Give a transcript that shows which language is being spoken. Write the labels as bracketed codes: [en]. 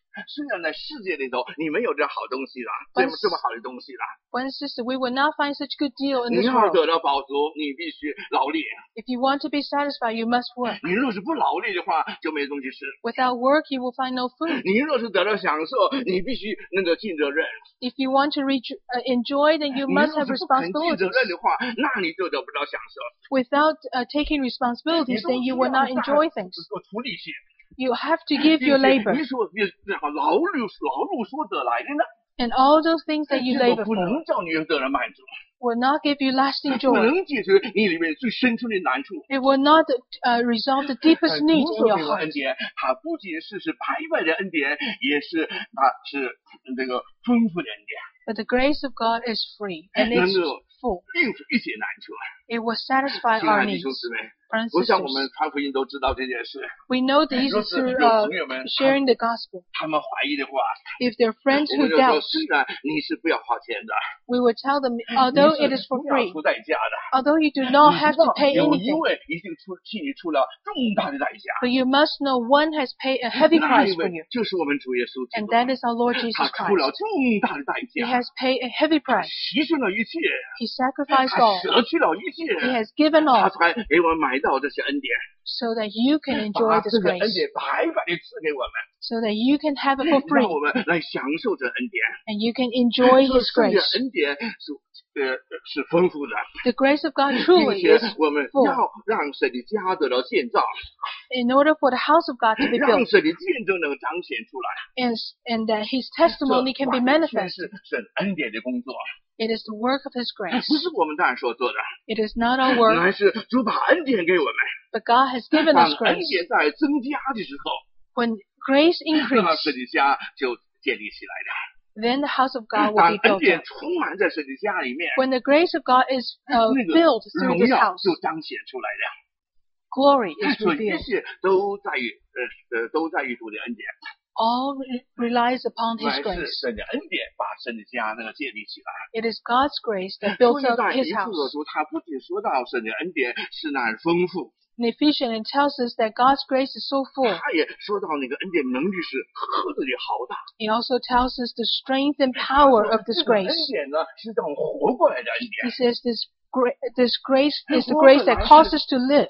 [zh] 虽然在世界里头你没有这好东西了，这么好的东西了。 [en] One sister, we will not find such good deal in this world. [zh] 你要得到饱足，你必须劳力。 [en] If you want to be satisfied, you must work. [zh] 你若是不劳力的话，就没东西吃。 [en] Without work, you will find no food. [zh] 你若是得到享受，你必须那个尽责任。 [en] If you want to enjoy, then you must have responsibility. [zh] 你若是不肯尽责任的话，那你就得不到享受。 [en] Without taking responsibility, then you will not enjoy things. [zh] 你若是不劳力的话，那你就 [en] You have to give your labor. [zh] 劳碌所得来的呢? [en] And all those things that you labor for [zh] 不能叫你得了满足。 [en] Will not give you lasting joy. [zh] 不能解决你里面最深处的难处。 [en] It will not resolve the deepest need in your heart. [zh] 恩典，它不仅是白白的恩典，也是它是那个丰富的恩典。 [en] But the grace of God is free and it's full. [zh] 应付一些难处。 [en] It will satisfy our needs. [zh] 我想我们传福音都知道这件事。 [en] We know these through sharing the gospel. [zh] 他们怀疑的话， [en] if their friends who doubt, [zh] 我们就说虽然你是不要花钱的， [en] we will tell them although it is for free, [zh] 你是不要付代价的， [en] although you do not have to pay anything, [zh] 你知道有一位已经替你出了重大的代价， [en] but you must know one has paid a heavy price for you, [zh] 就是我们主耶稣基督， [en] and that is our Lord Jesus Christ. [zh] 他出了重大的代价， [en] he has paid a heavy price, [zh] 牺牲了一切， [en] he sacrificed all, [zh] 他舍去了一切， [en] he has given all, [zh] 他才给我们买到这些恩典， [en] so that you can enjoy this grace. [zh] 把这个恩典白白地赐给我们， [en] so that you can have it for free. [zh] 让我们来享受这恩典， [en] and you can enjoy His grace. [zh] 这恩典是丰富的， [en] the grace of God truly is full. [zh] 并且我们要让神的家得到建造， [en] in order for the house of God to be built. [zh] 让神的见证能彰显出来， [en] and that His testimony can be manifested. [zh] 这完全是神恩典的工作。 [en] It is the work of His grace. [zh] 不是我们大人所做的。 [en] It is not our work. [zh] 乃是主把恩典给我们。 [en] But God has given us grace. [zh] 恩典在增加的时候。 [en] When grace increases. [zh] 神的家就建立起来的。 [en] Then the house of God will be built. [zh] 当恩典充满在神的家里面。 [en] When the grace of God is filled through this house. [zh] 就彰显出来了。 [en] Glory is revealed. [zh] 所以一切都在于主的恩典。 [en] All relies upon His grace. [zh] 是神的恩典把神的家那个建立起来。 [en] It is God's grace that built up His house. [zh] 所以在以弗所书，他不仅说到神的恩典是那丰富。 [en] In Ephesians, it tells us that God's grace is so full. [zh] 他也说到那个恩典能力是何等的浩大。 [en] It also tells us the strength and power of this grace. [zh] 这个恩典呢，是让我们活过来的恩典。 [en] He says this grace is the grace that causes us to live.